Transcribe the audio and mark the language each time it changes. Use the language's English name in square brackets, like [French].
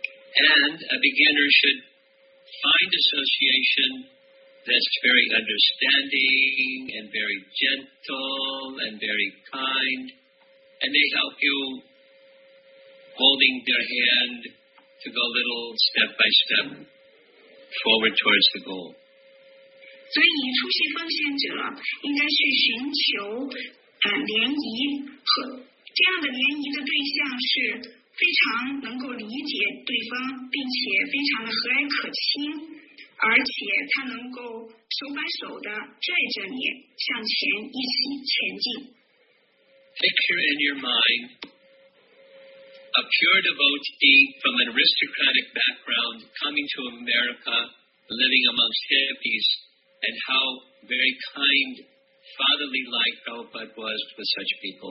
[English] And a beginner should find association that's very understanding and very gentle and very kind, and they help you holding their hand to go little step by step forward towards the goal. [Chinese] 所以你出席奉献者应该去寻求联谊，和这样的联谊的对象是非常能够理解对方，并且非常的和蔼可亲，而且他能够手把手的拽着你向前一起前进。 [English] Picture in your mind a pure devotee from an aristocratic background coming to America, living amongst hippies, and how very kind, fatherly-like Prabhupada was with such people.